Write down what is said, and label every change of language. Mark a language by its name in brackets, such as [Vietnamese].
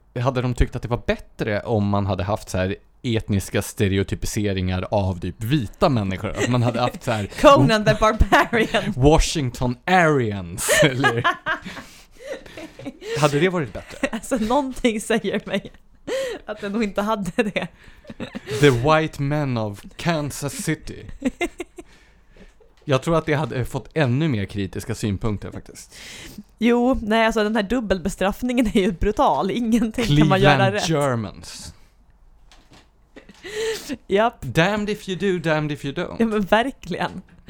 [Swedish] Hade de tyckt att det var bättre om man hade haft så här etniska stereotypiseringar av typ vita människor? Att man hade haft så här [English] Conan the Barbarian. Washington Aryans. [Swedish] Eller, hade det varit bättre? Alltså någonting säger mig att den nog inte hade det. [English] The White Men of Kansas City. [Swedish] Jag tror att det hade fått ännu mer kritiska synpunkter faktiskt. Jo, nej, alltså den här dubbelbestraffningen är ju brutal. Ingenting [English] Cleveland [Swedish] kan man göra rätt. [English] Cleveland Germans. Yep. Damned if you do, damned if you don't. [Swedish] Ja, men verkligen.